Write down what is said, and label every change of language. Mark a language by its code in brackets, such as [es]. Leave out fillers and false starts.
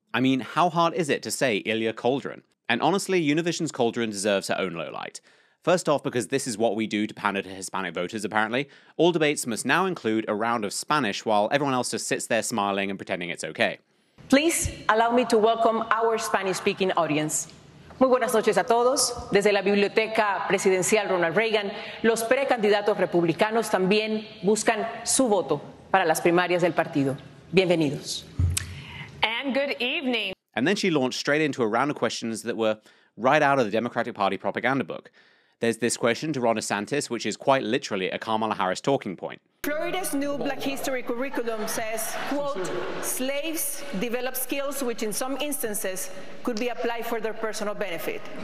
[en] I mean, how hard is it to say Ilia Calderón? And honestly, Univision's Calderón deserves her own lowlight. First off, because this is what we do to pander to Hispanic voters, apparently, all debates must now include a round of Spanish while everyone else just sits there smiling and pretending it's okay. Please allow me to welcome our Spanish-speaking audience. [es] Muy buenas noches a todos. Desde la biblioteca presidencial Ronald Reagan, los precandidatos republicanos también buscan su voto para las primarias del partido. Bienvenidos. [en] And good evening. And then she launched straight into a round of questions that were right out of the Democratic Party propaganda book. There's this question to Ron DeSantis, which is quite literally a Kamala Harris talking point. Florida's new Black History curriculum says, quote, slaves develop skills which in some instances could be applied for their personal benefit.